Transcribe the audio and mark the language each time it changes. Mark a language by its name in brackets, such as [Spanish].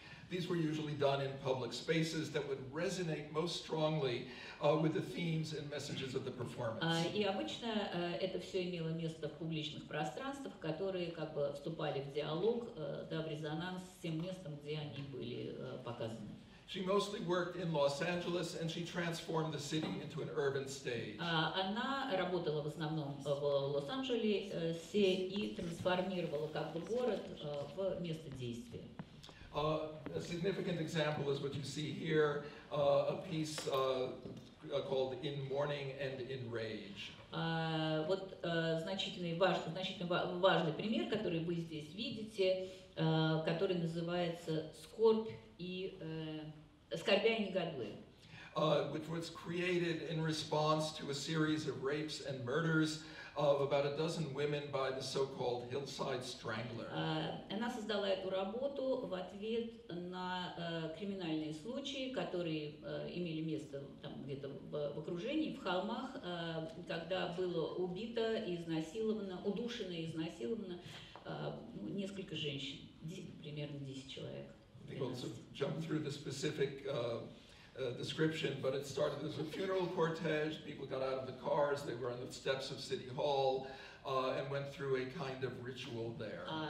[English] These were usually done in public spaces that would resonate most strongly with the themes and messages of the performance. [Russian] И обычно это все имело место в публичных пространствах, которые как бы вступали в диалог, да, в резонанс с тем местом, где они были показаны. [English] She mostly worked in Los Angeles, and she transformed the city into an urban stage. [Russian] Она работала в основном в Лос-Анджелесе и трансформировала как бы город в место действия. [English] A significant example is what you see here, a piece called In Mourning and In Rage. [Russian] Вот значительный важный пример, который вы здесь видите, который называется «Скорбя и негодуя». [English] Which was created in response to a series of rapes and murders of about a dozen women by the so-called Hillside Strangler. [Russian] Она создала эту работу в ответ на криминальные случаи, которые имели место там где-то в окружении, в холмах, когда было убито, изнасиловано, удушено и изнасиловано несколько женщин, примерно 10 человек. [English] I think we'll jump through the specific description, but it started as a funeral cortege. People got out of the cars, they were on the steps of City Hall, and went through a kind of ritual there.